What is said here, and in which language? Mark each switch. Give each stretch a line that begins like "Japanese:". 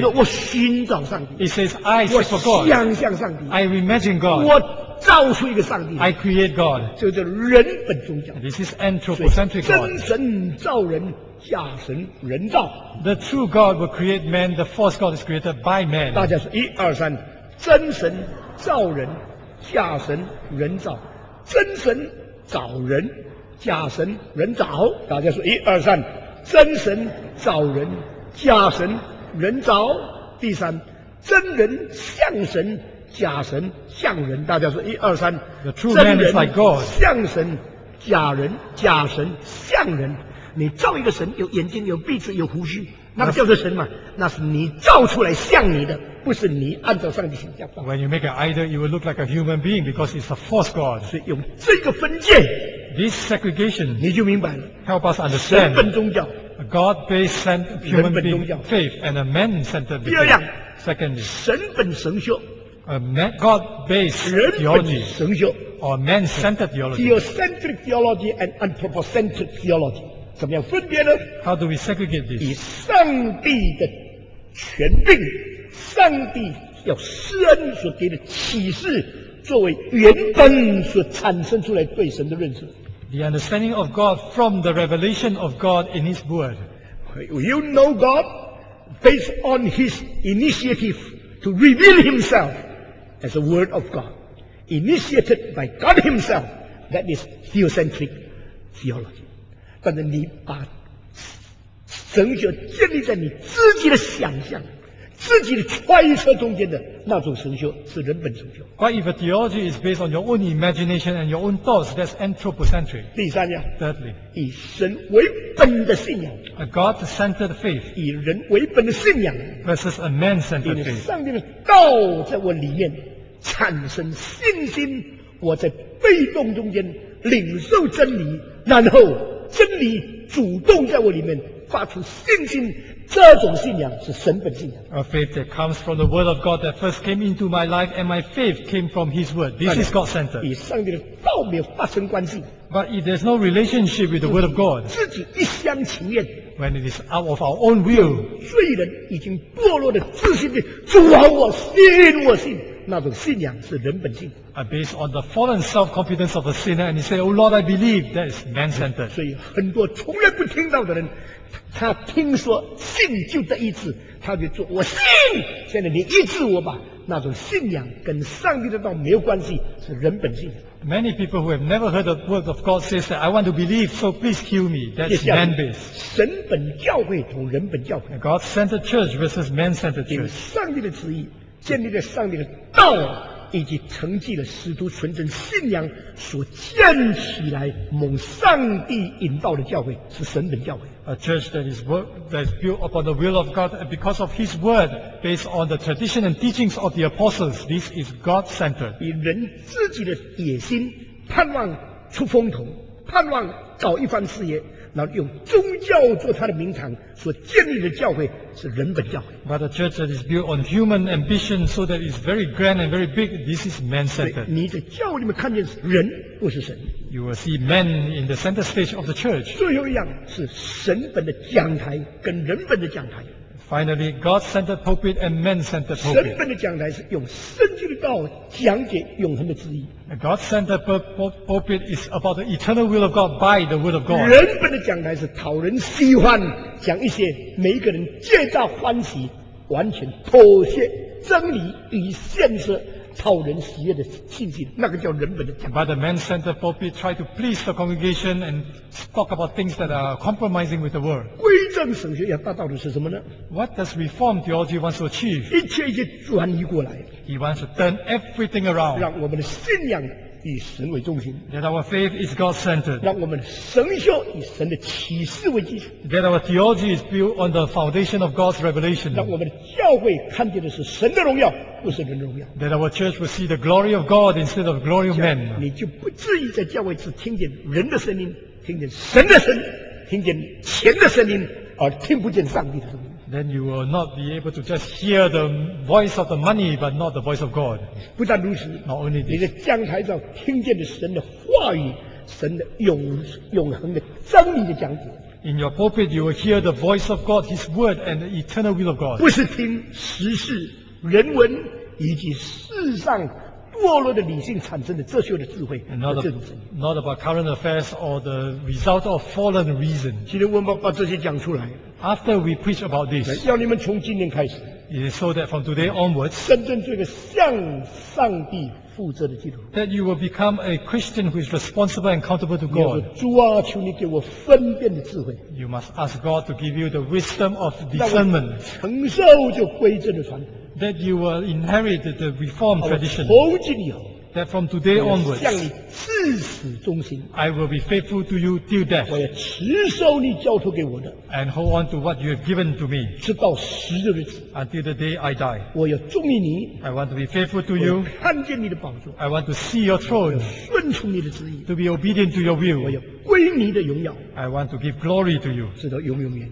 Chinese: 人我寻找上帝。
English: It says I seek for God.
Chinese: 我想象上帝。
English: I imagine God.
Chinese: 我造出一个上帝。
English: I create God.
Chinese: 这叫人本宗教。
English: This is anthropocentric God.
Chinese: 真神造人。假神人造。
English: The true God will create man, the false God is created by man.
Chinese: 大家说一二三，真神造人，假神人造，真神找人，假神人找。大家说一二三，真神找人，假神人找。第三，真人像神，假神像人。大家说一二三，
English: The true man is like God.
Chinese: 像神，假人，假神像人。你造一个神，有眼睛，有鼻子，有胡须，那个叫做神嘛？那是你造出来像你的，不是你按照上帝形象。
English: When you make an idol, it will look like a human being because it's a false god.
Chinese: 所以用这个分界
English: ，this segregation，
Chinese: 你就明白了。
English: Help us understand.
Chinese: 神本宗教
English: ，a God-based sent human being faith and a man-centered belief.
Chinese: 第二样
English: ，secondly，
Chinese: 神本神学
English: ，a man, God-based theology.
Chinese: 人本神学
English: ，or man-centered theology. Theocentric theology and anthropocentric theology.
Chinese: 怎么样分别呢？
English: How do we segregate this?
Chinese: 以上帝的权柄，上帝要施恩所给的启示，作为原本所产生出来对神的认识。
English: The understanding of God from the revelation of God in His Word. You know God based on His initiative to reveal Himself as a Word of God, initiated by God Himself. That is theocentric theology.
Chinese: 但是你把神学建立在你自己的想象、自己的揣测中间的那种神学是人本神学。
English: But if a theology is based on your own imagination and your own thoughts, that's anthropocentric.
Chinese: 第三样
English: ，Thirdly，
Chinese: 以神为本的信仰
English: ，a God-centered faith，
Chinese: 以人为本的信仰
English: ，versus a man-centered faith，
Chinese: 以上帝的道在我里面产生信心，我在被动中间领受真理，然后。真理主动在我里面发出信心，这种信仰是神本信仰。
English: A faith that comes from the word of God that first came into my life, and my faith came from His word. This is God-centered.
Chinese: 与上帝的道没有发生关系。
English: But if there's no relationship with the word of God,
Chinese: 自己一厢情愿。
English: When it is out of our own will,
Chinese: 罪人已经堕落的自信的主啊，我信，我信。那种信仰是人本性。
English: I based on the fallen self-confidence of a sinner, and he said, "Oh Lord, I believe." That is man-centered.
Chinese: 所以很多从来不听到的人，他听说信就得医治，他就说我信。现在你医治我吧。那种信仰跟上帝的道没有关系，是人本性。
English: Many people who have never heard the word of God says that I want to believe, so please heal me. That's man-based.
Chinese: 神本教会同人本教会。
English: God-centered church versus man-centered church.
Chinese: 上帝的旨意。建立在上帝的道以及承继了使徒纯真信仰所建起来蒙上帝引导的教会是神本教会。
English: A church that is built upon the will of God and because of His word, based on the tradition and teachings of the apostles, this is God-centered.
Chinese: 以人自己的野心盼望出风头，盼望搞一番事业。那用宗教做他的名堂所建立的教会是人本教会。
English: But a church that is built on human ambition so that it's very grand and very big, this is man-centered.
Chinese: 你的教会里面看见是人，不是神。
English: You will see man in the center stage of the church.
Chinese: 最后一样是神本的讲台跟人本的讲台。
English: Finally, God-centered pulpit and man-centered pulpit.
Chinese: 神本的讲台是用圣经的道讲解永恒的旨意。
English: A God-centered pulpit is about the eternal will of God by the word of God.
Chinese: 人本的讲台是讨人喜欢，讲一些每一个人皆大欢喜，完全妥协真理与现实，讨人喜悦的信心，那个叫人本的讲台。
English: But the man-centered pulpit try to please the congregation and talk about things that are compromising with the world.
Chinese: 归正神学要达到的是什么呢？
English: What does Reformed theology want to achieve?
Chinese: 一切一切转移过来。
English: He wants to turn everything around.
Chinese: 让我们的信仰以神为中心。
English: That our faith is God-centered.
Chinese: 让我们的神学以神的启示为基础。
English: That our theology is built on the foundation of God's revelation.
Chinese: 让我们的教会看见的是神的荣耀，不是人的荣耀。
English: That our church will see the glory of God instead of the glory of men.
Chinese: 你就不至于在教会只听见人的声音，听见神的声音，听见钱的声音，而听不见上帝的声音。
English: Then you will not be able to just hear the voice of the money, but not the voice of God.
Chinese: 不但如此，
English: not only this.
Chinese: 你的讲台上听见的神的话语，神的永恒的真理的讲解。
English: In your pulpit, you will hear the voice of God, His word, and the eternal will of God.
Chinese: 不是听时事、人文以及世上堕落的理性产生的哲学的智慧和这种声音。
English: Not about current affairs or the result of fallen reason.
Chinese: 今天我们把这些讲出来。
English: After we preach about this,
Chinese: 要你们从今天开始。
English: It is so that from today onwards,
Chinese: 真正做一个向上帝负责的基督徒。
English: That you will become a Christian who is responsible and accountable to God.
Chinese: 主啊，求你给我分辨的智慧。
English: You must ask God to give you the wisdom of discernment.
Chinese: 承受就归正的传统。
English: That you will inherit the Reformed tradition.
Chinese: 从今以后。
English: That from today onwards,
Chinese: 向你至死忠心。
English: I will be faithful to you till death.
Chinese: 我要持守你交托给我的。
English: And hold on to what you have given to me.
Chinese: 直到死的日子。
English: Until the day I die.
Chinese: 我要忠于你。
English: I want to be faithful to you.
Chinese: 看见你的宝座。
English: I want to see your throne.
Chinese: 顺从你的旨意。
English: To be obedient to your will.
Chinese: 我要归你的荣耀。
English: I want to give glory to you.
Chinese: 直到永永远。